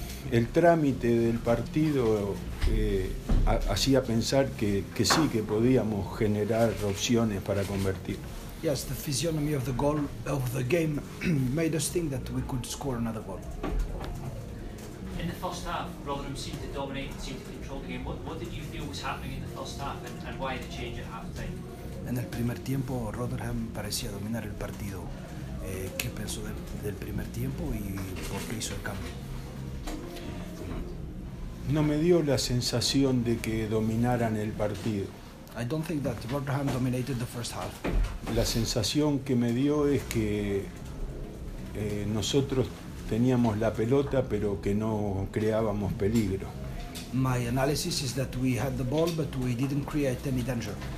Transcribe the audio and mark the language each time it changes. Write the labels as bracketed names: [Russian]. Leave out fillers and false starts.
[Spanish] El trámite del partido hacía pensar que sí, que podíamos generar opciones para convertir. [English] Yes, the physiognomy of the goal of the game made us think that we could score another goal. In the first half, Rotherham seemed to dominate and seemed to control the game. What did you feel was happening in the first half, and why the change at half-time? [Spanish] En el primer tiempo, Rotherham parecía dominar el partido. ¿Qué pensó del primer tiempo y por qué hizo el cambio? No me dio la sensación de que dominaran el partido. [English] I don't think that Rotherham dominated the first half. [Spanish] La sensación que me dio es que nosotros teníamos la pelota, pero que no creábamos peligro. [English] My analysis is that we had the ball, but we didn't create any danger.